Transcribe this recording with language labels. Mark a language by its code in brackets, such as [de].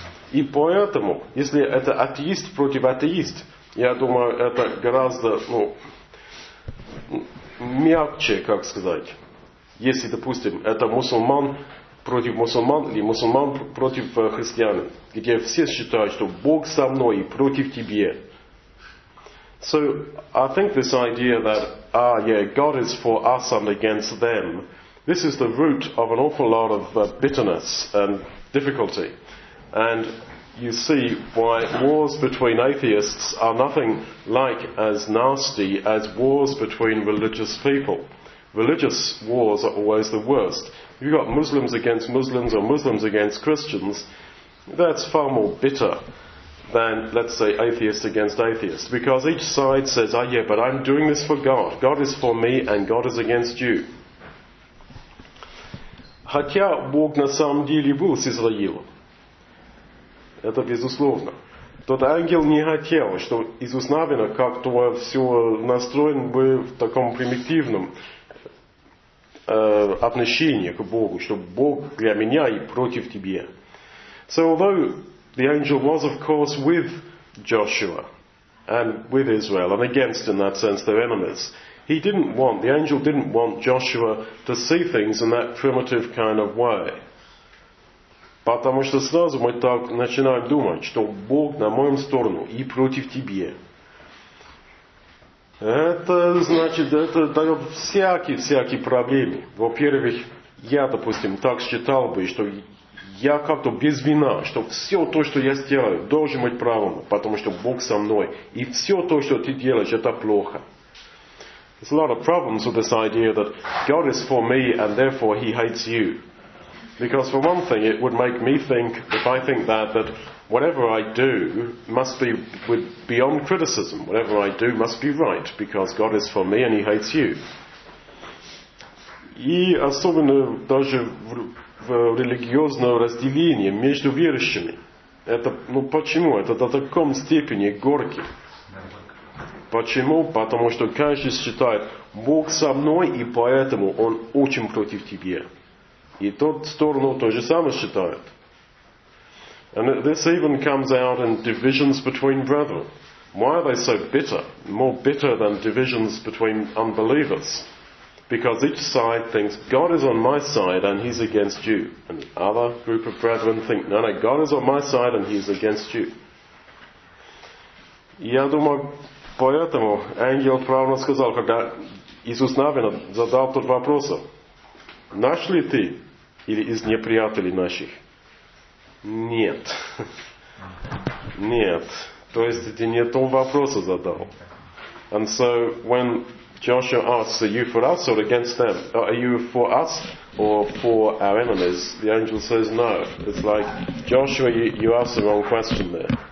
[ru] И поэтому, если это атеист против атеист, я думаю, это гораздо мягче, как сказать. Если, допустим, это мусульман против мусульман или мусульман против христиан, где все считают, что Бог со мной и против тебя. [en] So, I think this idea that, God is for us and against them, this is the root of an awful lot of bitterness and difficulty. And you see why wars between atheists are nothing like as nasty as wars between religious people. Religious wars are always the worst. If you've got Muslims against Muslims or Muslims against Christians, that's far more bitter than, let's say, atheist against atheist. Because each side says, but I'm doing this for God. God is for me and God is against you. [ru] Хотя Бог на самом деле был с Израилом. Это безусловно. Тот ангел не хотел, что Иисус Навина как-то все настроен бы в таком примитивном отношение к Богу, что Бог для меня и против тебя. [en] So although the angel was of course with Joshua and with Israel and against in that sense their enemies, the angel didn't want Joshua to see things in that primitive kind of way. [ru] Потому что сразу мы так начинаем думать, что Бог на моем сторону и против тебя. Это значит, это дает всякие проблемы. Во-первых, я, допустим, так считал бы, что я как-то без вина, что все то, что я сделаю, должен быть правым, потому что Бог со мной. И все то, что ты делаешь, это плохо. [en] There's a lot of problems with this idea that God is for me and therefore he hates you. Because for one thing, it would make me think, if I think that, that whatever I do must be beyond criticism. Whatever I do must be right, because God is for me and he hates you. [ru] И особенно даже в религиозном разделении между верующими. Это, ну почему? Это до такой степени горки. Почему? Потому что каждый считает, Бог со мной, и поэтому он очень против тебя. И тот сторону то же самое считает. [en] And this even comes out in divisions between brethren. Why are they so bitter? More bitter than divisions between unbelievers. Because each side thinks, God is on my side and he's against you. And the other group of brethren think, no, no, God is on my side and he's against you. [ru] Я думаю, поэтому ангел правильно сказал, когда Иисус Навин задал тот вопрос, наш ли ты или из неприятелей наших? Нет. Нет. То есть ты не тот вопрос задал. [en] And so when Joshua asks, are you for us or against them? Are you for us or for our enemies? The angel says no. It's like, Joshua, you asked the wrong question there.